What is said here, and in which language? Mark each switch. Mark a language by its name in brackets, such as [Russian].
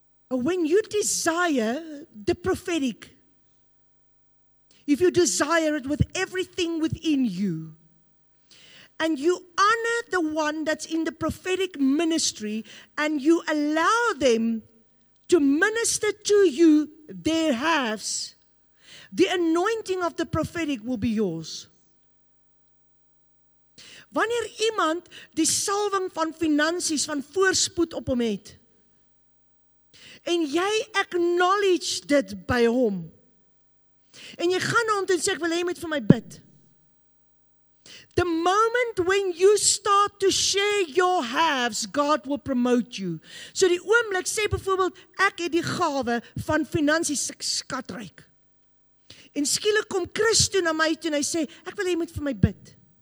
[English] When you desire the prophetic, if you desire it with everything within you, and you honor the one that's in the prophetic ministry, and you allow them to minister to you their halves, the anointing of the prophetic will be yours. [Afrikaans] Wanneer iemand die salwing van finansies, van voorspoed op hom het, en jy acknowledge dit by hom, en jy gaan na hom en sê, ek wil hê jy moet vir my bid. [English] The moment when you start to share your halves, God will promote you. [Afrikaans] So die oomblik sê byvoorbeeld, ek het die gawe van finansies skatryk. En skielik kom Chris toe na my toe en hy sê, ek wil hê jy moet vir my bid.